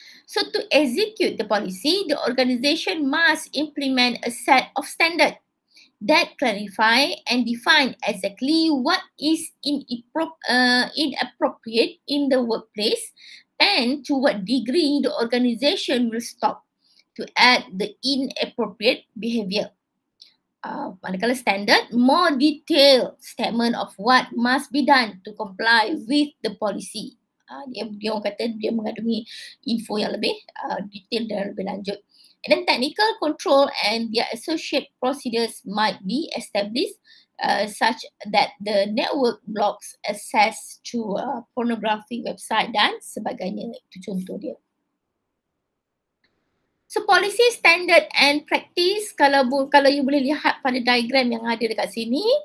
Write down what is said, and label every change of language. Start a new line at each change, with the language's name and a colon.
English: So to execute the policy, the organization must implement a set of standards that clarify and define exactly what is inappropriate in the workplace and to what degree the organization will stop to add the inappropriate behavior.
Malay: Manakala
English: standard, more detailed statement of what must be done to comply with the policy.
Malay: Dia orang kata dia mengandungi info yang lebih detail dan lebih lanjut.
English: And then technical control and their associate procedures might be established such that the network blocks access to a pornography website
Malay: dan sebagainya. Itu contoh dia.
English: So policy, standard and practice,
Malay: kalau you boleh lihat pada diagram yang ada dekat sini.